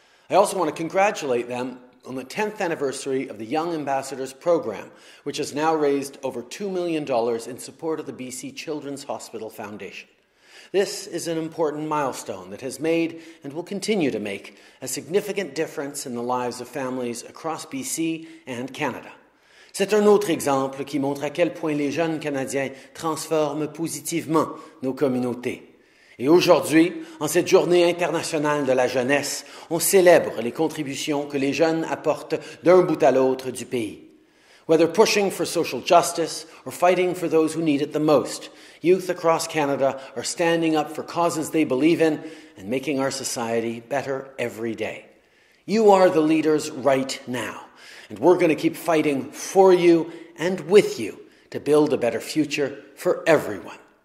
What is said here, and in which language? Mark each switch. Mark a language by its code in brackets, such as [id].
[en] I also want to congratulate them on the 10th anniversary of the Young Ambassadors Program, which has now raised over $2 million in support of the BC Children's Hospital Foundation. This is an important milestone that has made and will continue to make a significant difference in the lives of families across BC and Canada. [fr] C'est un autre exemple qui montre à quel point les jeunes Canadiens transforment positivement nos communautés. Et aujourd'hui, en cette journée internationale de la jeunesse, on célèbre les contributions que les jeunes apportent d'un bout à l'autre du pays. [en] Whether pushing for social justice or fighting for those who need it the most, youth across Canada are standing up for causes they believe in and making our society better every day. You are the leaders right now, and we're going to keep fighting for you and with you to build a better future for everyone.